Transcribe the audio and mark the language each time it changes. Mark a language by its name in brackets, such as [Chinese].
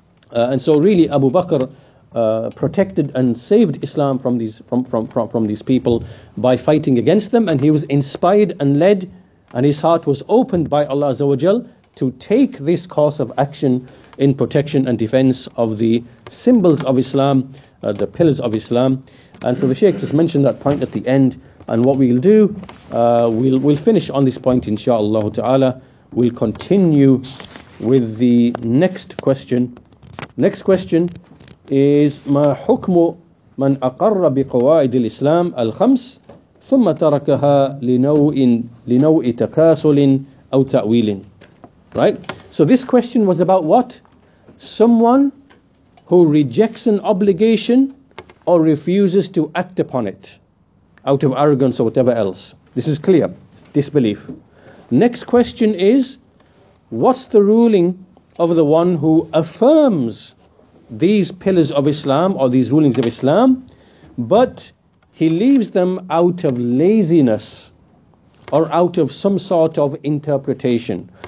[English] And so really Abu Bakr protected and saved Islam from these from these people by fighting against them, and he was inspired and led, and his heart was opened by Allah Azza wa Jal to take this course of action in protection and defense of the symbols of Islam, the pillars of Islam. And so the Shaykh just mentioned that point at the end, and what we'll do, we'll finish on this point inshaAllah ta'ala. We'll continue with the next question. Next question is, [Arabic] مَا حُكْمُ مَنْ أَقَرَّ بِقَوَائِدِ الْإِسْلَامِ الْخَمْسِ ثُمَّ تَرَكَهَا لِنَوْءِ تَكَاسُلٍ أَوْ تَأْوِيلٍ. [English] Right? So this question was about what? Someone who rejects an obligation or refuses to act upon it out of arrogance or whatever else. This is clear. It's disbelief. Next question is, what's the ruling of the one who affirms these pillars of Islam or these rulings of Islam, but he leaves them out of laziness or out of some sort of interpretation?